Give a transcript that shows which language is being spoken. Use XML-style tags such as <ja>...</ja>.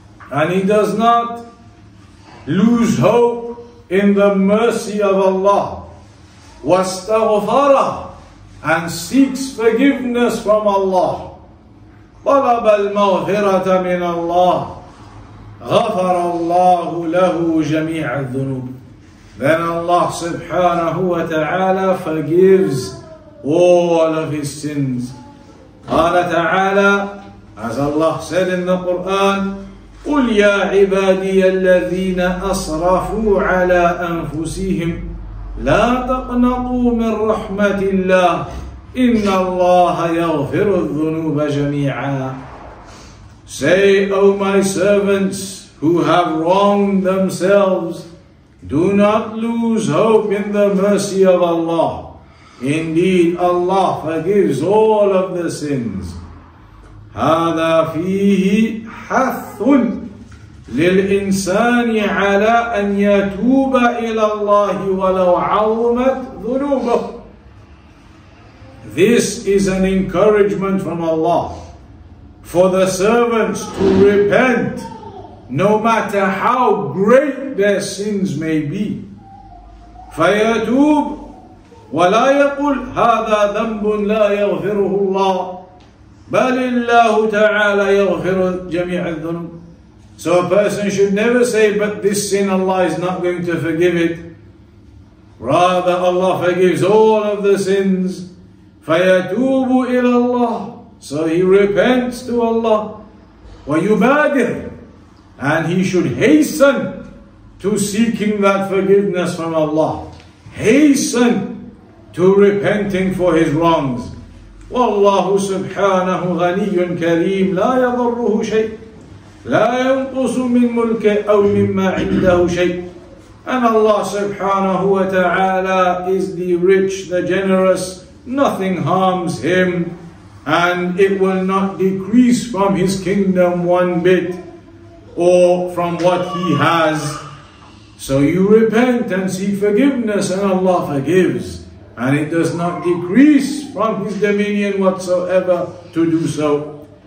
<en>and he does not lose hope in the mercy of Allah,</en> <ar>واستغفر,</ar> <en>and seeks forgiveness from Allah,</en> <ar>طلب المغفرة من الله, غفر الله له جميع الذنوب.</ar> <en>Then Allah</en> <ar>سبحانه وتعالى</ar> <en>forgives all of his sins.</en> <ar>قال تعالى,</ar> <en>as Allah said in the Quran,</en> <ar>قُلْ يَا عِبَادِيَ الَّذِينَ أَصْرَفُوا عَلَىٰ أَنفُسِهِمْ لَا تَقْنَطُوا مِنْ رَحْمَةِ اللَّهِ إِنَّ اللَّهَ يَغْفِرُ الذُّنُوبَ جَمِيعًا.</ar> <en>Say, O my servants who have wronged themselves, do not lose hope in the mercy of Allah. Indeed, Allah forgives all of the sins.</en> <ar>هذا فيه حث للإنسان على أن يتوب إلى الله ولو عظمت ذنوبه.</ar> <en>This is an encouragement from Allah for the servants to repent no matter how great their sins may be.</en> <ar>فيتوب ولا يقول هذا ذنب لا يغفره الله بل الله تعالى يغفر جميع الذنوب.</ar> <en>So a person should never say, but this sin Allah is not going to forgive it. Rather, Allah forgives all of the sins.</en> <ar>فَيَتُوبُ إِلَى اللَّهِ.</ar> <en>So he repents to Allah.</en> <ar>وَيُبَادِرُ,</ar> <en>and he should hasten to seeking that forgiveness from Allah. Hasten to repenting for his wrongs.</en> <ar>وَاللَّهُ سُبْحَانَهُ غَنِيٌّ كَرِيمٌ لَا يَضَرُّهُ شَيْءٌ لا ينقص من ملكه أو مما عنده شيء.</ar> <en>And Allah subhanahu wa ta'ala is the rich, the generous. Nothing harms him, and it will not decrease from his kingdom one bit or from what he has. So you repent and seek forgiveness, and Allah forgives, and it does not decrease from his dominion whatsoever to do so.</en>